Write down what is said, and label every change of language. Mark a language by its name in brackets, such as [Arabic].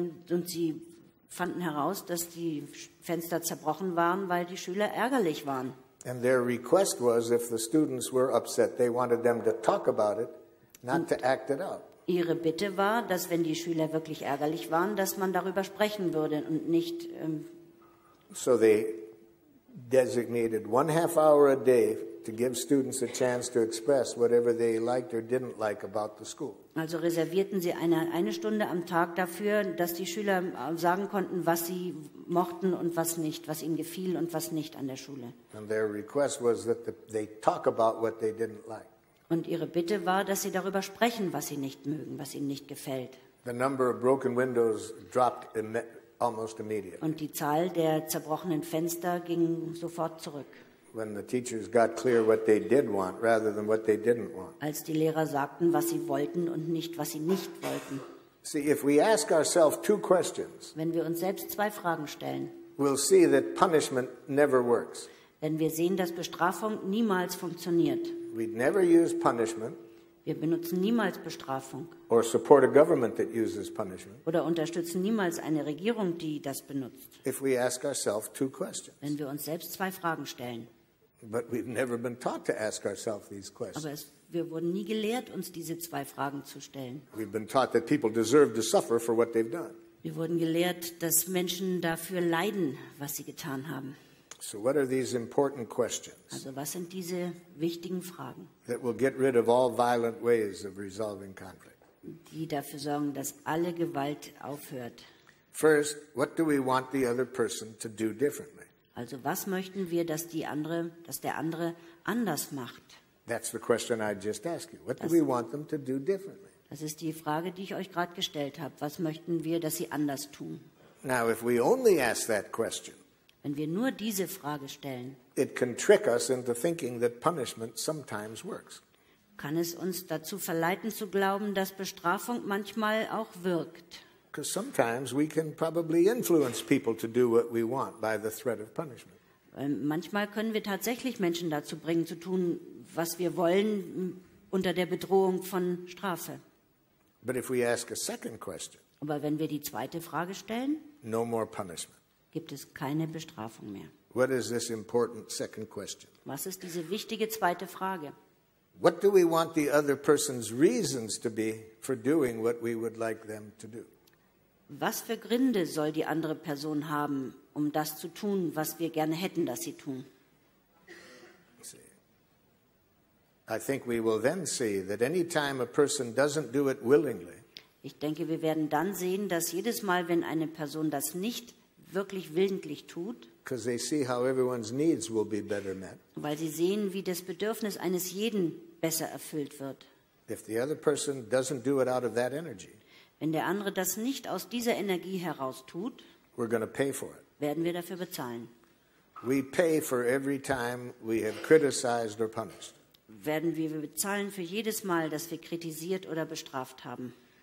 [German] Und sie fanden heraus, dass die Fenster zerbrochen waren, weil die Schüler ärgerlich waren. [English] And their request was, if the students were upset, they wanted them to talk about it, not to act it out. [German] Ihre Bitte war, dass wenn die Schüler wirklich ärgerlich waren, dass man darüber sprechen würde und nicht. [English] So they designated 1/2 hour a day to give students a chance to express whatever they liked or didn't like about the school. [German] Also reservierten sie eine Stunde am Tag dafür, dass die Schüler sagen konnten, was sie mochten und was nicht, was ihnen gefiel und was nicht an der Schule. [English] And their request was that they talk about what they didn't like. [German] Und ihre Bitte war, dass sie darüber sprechen, was sie nicht mögen, was ihnen nicht gefällt. [English] The number of broken windows dropped almost immediately. [German] Und die Zahl der zerbrochenen Fenster ging sofort zurück. [English] When the teachers got clear what they did want rather than what they didn't want. [German] Als die Lehrer sagten, was sie wollten und nicht, was sie nicht wollten. [English] See, if we ask ourselves two questions. [German] Wenn wir uns selbst zwei Fragen stellen. [English] We'll see that punishment never works. [German] Wenn wir sehen, dass Bestrafung niemals funktioniert. [English] We'd never use punishment. [German] Wir benutzen niemals Bestrafung. [English] Or support a government that uses punishment. [German] Oder unterstützen niemals eine Regierung, die das benutzt. [English] If we ask ourselves two questions. [German] Wenn wir uns selbst zwei Fragen stellen. [English] But we've never been taught to ask ourselves these questions. [German] Aber wir wurden nie gelehrt, uns diese zwei Fragen zu stellen. [English] We've been taught that people deserve to suffer for what they've done. [German] Wir wurden gelehrt, dass Menschen dafür leiden, was sie getan haben. [English] So what are these important questions? [German] Also was sind diese wichtigen Fragen? [English] That will get rid of all violent ways of resolving conflict. [German] Die dafür sorgen, dass alle Gewalt aufhört. [English] First, what do we want the other person to do differently? [German] Also was möchten wir, dass der andere anders macht? [English] That's the question I just asked you. What do we want them to do differently? [German] Das ist die Frage, die ich euch gerade gestellt habe. Was möchten wir, dass sie anders tun? [English] Now if we only ask that question. [German] Wenn wir nur diese Frage stellen, [English] it can trick us into thinking that punishment sometimes works. [German] Kann es uns dazu verleiten zu glauben, dass Bestrafung manchmal auch wirkt? [English] Because sometimes we can probably influence people to do what we want by the threat of punishment. [German] Manchmal können wir tatsächlich Menschen dazu bringen zu tun, was wir wollen, unter der Bedrohung von Strafe. [English] But if we ask a second question, [German] aber wenn wir die zweite Frage stellen, [English] no more punishment. [German] Gibt es keine Bestrafung mehr. [English] What is this important second question? [German] Was ist diese wichtige zweite Frage? [English] What do we want the other person's reasons to be for doing what we would like them to do? [German] Was für Gründe soll die andere Person haben, um das zu tun, was wir gerne hätten, dass sie tun? [English] I think we will then see that any time a person doesn't do it willingly. [German] Ich denke, wir werden dann sehen, dass jedes Mal, wenn eine Person das nicht wirklich willentlich tut, [English] because they see how everyone's needs will be better met. [German] Weil sie sehen, wie das Bedürfnis eines jeden besser erfüllt wird. [English] If the other person doesn't do it out of that energy, [German] wenn der andere das nicht aus dieser Energie heraus tut, [English] we're going to pay for it. [German] Werden wir dafür bezahlen. [English] We pay for every time we have criticized or punished. [German] Werden wir bezahlen für jedes Mal, dass wir kritisiert oder bestraft haben.